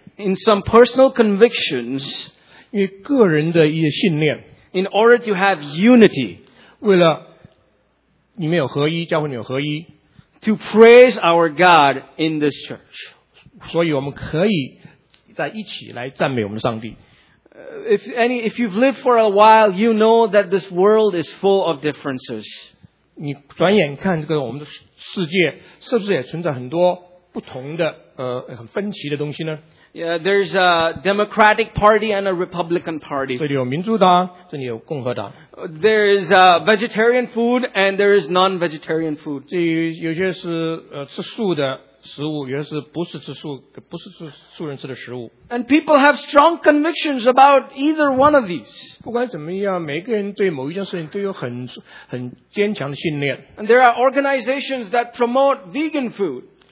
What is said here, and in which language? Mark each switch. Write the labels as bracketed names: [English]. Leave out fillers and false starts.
[English] In some personal convictions, [Chinese] 因为个人的一些信念 [English] in order to have unity, [Chinese] 为了你们有合一，教会你有合一 [English] to praise our God in this church. [Chinese] 所以我们可以在一起来赞美我们上帝。 [English] If you've lived for a while, you know that this world is full of differences. [Chinese] 你转眼看这个我们的世界是不是也存在很多不同的很分歧的东西呢？ [English] Yeah, there's a Democratic Party and a Republican Party. [Chinese] 这里有民主党，这里有共和党。 [English] There is vegetarian food and there is non-vegetarian food. [Chinese] 这有些是吃素的食物，有些是不是吃素人吃的食物。 [English] And people have strong convictions about either one of these. [Chinese] 不管怎么样，每个人对某一件事情都有很坚强的信念。 [English] And there are organizations that promote vegan food.